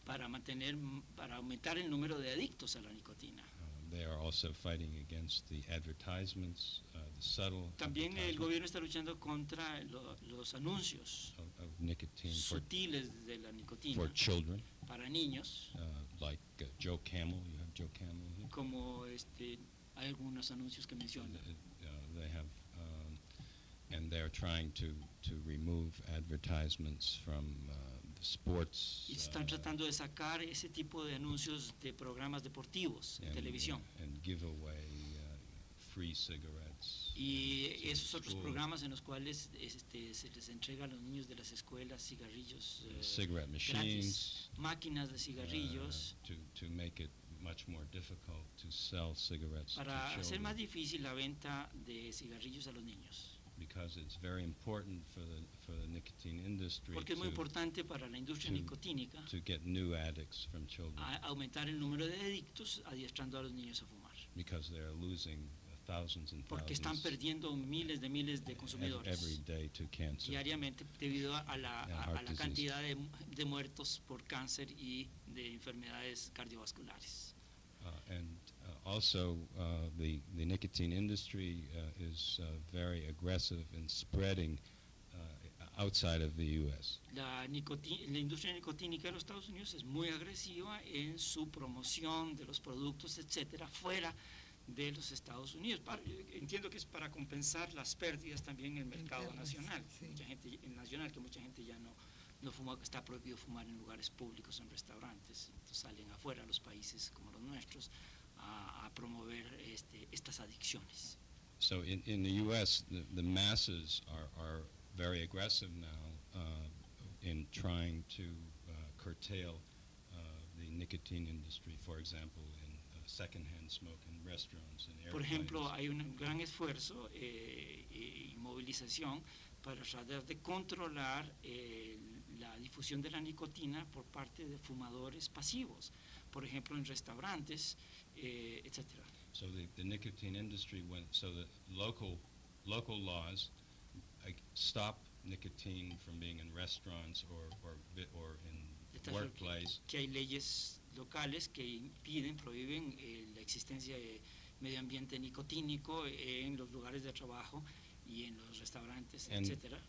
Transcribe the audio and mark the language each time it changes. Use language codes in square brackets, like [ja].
[es] Para aumentar el número de adictos a la nicotina. [en] They are also fighting against the advertisements, the subtle. [es] También el gobierno está luchando contra los anuncios [en] of nicotine [es] sutiles de la nicotina. [en] For children. [es] Para niños. [en] Like Joe Camel, you have Joe Camel here. [es] Como hay algunos anuncios que menciona. [en] They have. And they are trying to remove advertisements from the sports. [es] Y están tratando de sacar ese tipo de anuncios de programas deportivos en televisión. [en] And give away free cigarettes. [es] Y esos otros programas en los cuales se les entrega a los niños de las escuelas cigarrillos. [en] Cigarette machines. [es] Máquinas de cigarrillos. [en] To make it much more difficult to sell cigarettes. [es] Para hacer más difícil la venta de cigarrillos a los niños. [en] Because it's very important for the nicotine industry. [es] Porque es muy importante para la industria nicotínica. [en] To get new addicts from children. [es] Aumentar el número de adictos adiestrando a los niños a fumar. [en] Because they are losing a thousands and [es] porque están perdiendo miles de consumidores diariamente debido a la cantidad de muertos por cáncer y de enfermedades cardiovasculares. [en] And also the nicotine industry is very aggressive in spreading outside of the U.S. [es] La industria nicotínica de los Estados Unidos es muy agresiva en su promoción de los productos, etcétera, fuera de los Estados Unidos. Entiendo que es para compensar las pérdidas también en el mercado nacional. Sí. Mucha gente en nacional, que mucha gente ya no fuma, está prohibido fumar en lugares públicos, en restaurantes. Entonces salen afuera los países como los nuestros a promover estas adicciones. [en] So in the U.S., the masses are very aggressive now in trying to curtail the nicotine industry, for example, in secondhand smoke in restaurants and airplanes. [es] Por ejemplo, hay un gran esfuerzo y movilización para tratar de controlar la difusión de la nicotina por parte de fumadores pasivos, por ejemplo, en restaurantes, etc. [en] So the nicotine industry went, so the local laws stop nicotine from being in restaurants or in workplace. [es] Que hay leyes locales que impiden, prohíben la existencia de medio ambiente nicotínico en los lugares de trabajo y en los restaurantes, etcétera.